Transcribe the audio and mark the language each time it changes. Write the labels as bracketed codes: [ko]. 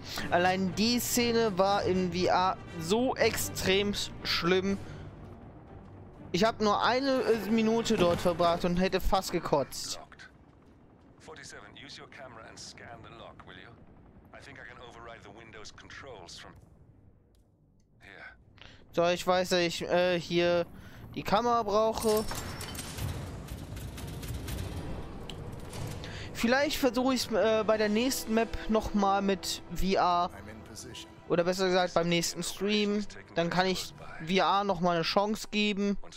[de] Allein die Szene war in VR so extrem schlimm. Ich habe nur eine Minute dort verbracht und hätte fast gekotzt. [en] 47, use your camera and scan the lock, will you? I think I can override the Windows controls from here. [de] So, ich weiß, dass ich hier die Kamera brauche. Vielleicht versuche ich es bei der nächsten Map nochmal mit VR. Oder besser gesagt beim nächsten Stream. Dann kann ich VR nochmal eine Chance geben.